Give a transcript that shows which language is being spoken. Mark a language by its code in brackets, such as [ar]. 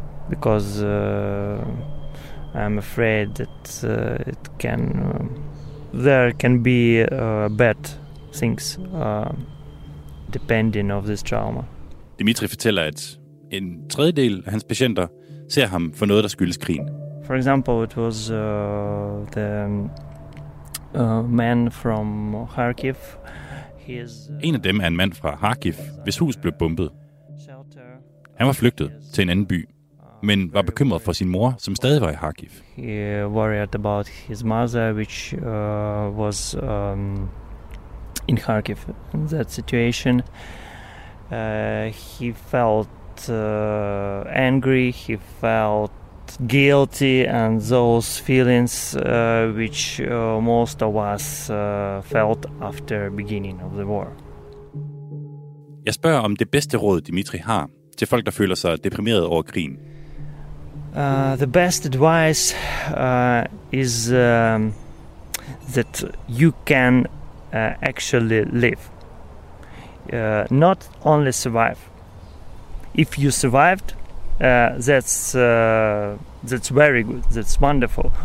[en] Because I'm afraid that it can there can be bad things depending of this trauma. [da] Dimitri fortæller, at en tredjedel af hans patienter ser ham for noget, der skyldes krigen. [en] For example, it was the man from Kharkiv. [da] En af dem er en mand fra Kharkiv, hvis hus blev bombet. Han var flygtet til en anden by, men var bekymret for sin mor, som stadig var i Kharkiv. [en] He worried about his mother, which was in Kharkiv. In that situation, he felt angry, he felt guilty, and those feelings which most of us felt after beginning of the war. [da] Jeg spørger, om det bedste råd Dimitri har til folk, der føler sig deprimeret over krigen. [en] The best advice is that you can actually live. Not only survive. If you survived, That's very good. That's wonderful.